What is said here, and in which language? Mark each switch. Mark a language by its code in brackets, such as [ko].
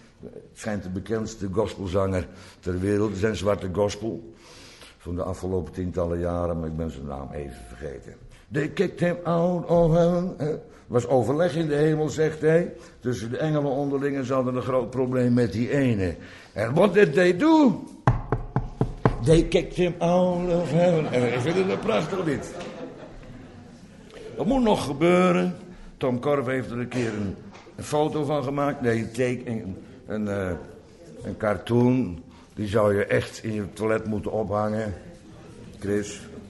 [nl] Het schijnt de bekendste gospelzanger ter wereld. Het is een zwarte gospel van de afgelopen tientallen jaren, maar ik ben zijn naam even vergeten. [en] They kicked him out of heaven. [nl] Er was overleg in de hemel, zegt hij. Tussen de engelen onderling en ze hadden een groot probleem met die ene. [en] And what did they do? They kicked him out of heaven. [nl] En ik vind het een prachtig lied. Dat moet nog gebeuren. Tom Korf heeft er een keer een foto van gemaakt. Nee, een teken, een cartoon. Die zou je echt in je toilet moeten ophangen. Chris.